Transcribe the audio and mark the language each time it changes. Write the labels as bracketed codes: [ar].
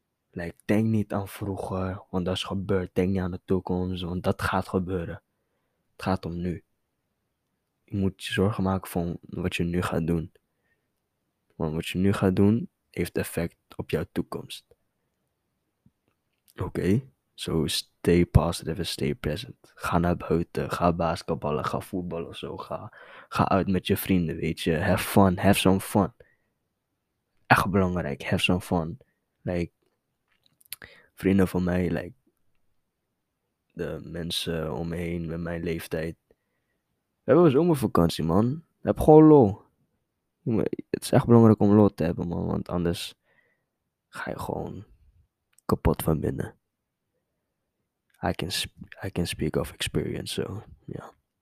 [nl] Like, denk niet aan vroeger, want dat is gebeurd. Denk niet aan de toekomst, want dat gaat gebeuren. Het gaat om nu. Je moet je zorgen maken van wat je nu gaat doen. Want wat je nu gaat doen, heeft effect op jouw toekomst. [en] Oké, so stay positive and stay present. [nl] Ga naar buiten, ga basketballen, ga voetballen of zo. Ga uit met je vrienden, weet je. [en] Have fun, have some fun. [nl] Echt belangrijk, [en] have some fun. [nl] Like, vrienden van mij, like, de mensen om me heen met mijn leeftijd. We hebben zomervakantie, man. Heb gewoon lol. Maar het is echt belangrijk om lol te hebben, man, want anders ga je gewoon kapot van binnen. [en] I can speak of experience, so ja.